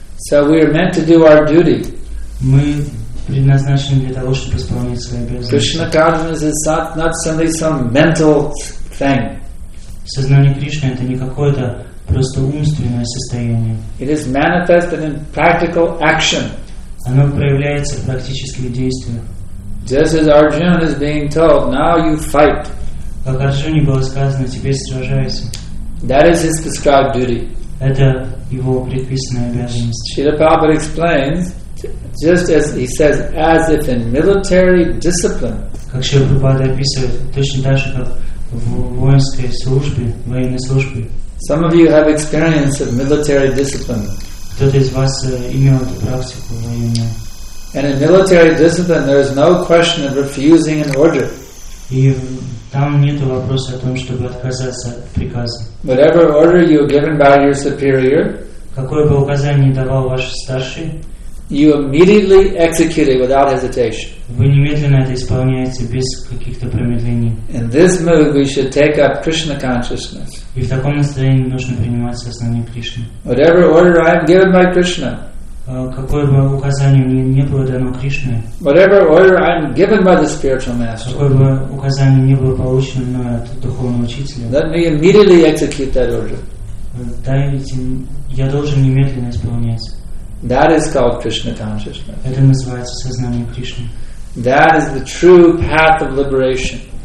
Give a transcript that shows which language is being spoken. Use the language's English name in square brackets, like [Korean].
[English] So we are meant to do our duty. [Russian] Мы предназначены для того, чтобы исполнять свои обязанности. [English] Krishna consciousness is not simply some mental thing. [Russian] Сознание Кришны это не какое-то просто умственное состояние. [English] It is manifested in practical action. [Russian] Оно проявляется в практических действиях. [English] Just as Arjuna is being told, now you fight. [Russian] Как Арджуне было сказано, теперь сражайся. [English] That is his prescribed duty. [Russian] Это его предписанная обязанность. [English] Шрила Прабхупада explains, just as he says, as if in military discipline. [Russian] Как Шрила Прабхупада описывает, точно так же, как в воинской службе, военной службе. [English] Some of you have experience of military discipline. [Russian] Кто-то из вас имел эту практику военную. [English] And in military discipline, there is no question of refusing an order. [Russian] И там нет вопроса о том, чтобы отказаться от приказа. [English] Whatever order you are given by your superior, [Russian] какое бы указание давал ваш старший, [English] you immediately execute it without hesitation. [Russian] Вы немедленно это исполняете без каких-то промедлений. [English] In this mood, we should take up Krishna consciousness. [Russian] И в таком настроении нужно принимать сознание Кришны. [English] Whatever order I am given by Krishna, [Russian] какое бы указание мне не было дано Кришной, [English] whatever order I'm given by the spiritual master, [Russian] какое бы указание не было получено мной от духовного учителя, [English] let me immediately execute that order. [Russian] Дайте, я должен немедленно исполнять. [English] That is called Krishna consciousness. [Russian] Это называется сознание Кришны. [English] That is the true path of liberation.